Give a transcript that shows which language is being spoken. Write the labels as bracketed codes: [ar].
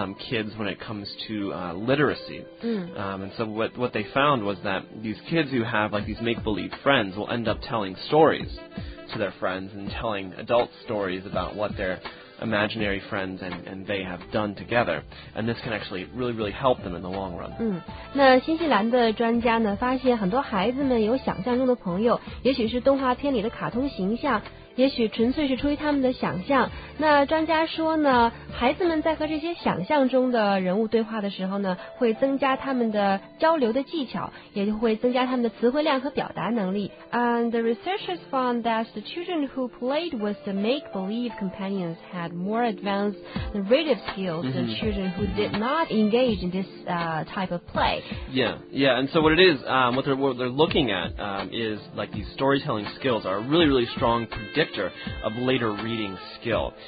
[en] Kids when it comes to literacy. And so what they found was that these kids who have, like, these make-believe friends will end up telling stories to their friends and telling adult stories about what their imaginary friends and they have done together. And this can actually really, really help them in the long run. [zh] 那新西兰的专家呢，发现很多孩子们有想象中的朋友，也许是动画片里的卡通形象，也许纯粹是出于他们的想象。那专家说呢，孩子们在和这些想象中的人物对话的时候呢，会增加他们的交流的技巧，也就会增加他们的词汇量和表达能力。 [en] And the researchers found that the children who played with the make-believe companions had more advanced narrative skills than children who did not engage in this type of play. Yeah. And so what it is, what they're looking at is, like, these storytelling skills are really, really strong predictor of later reading skill.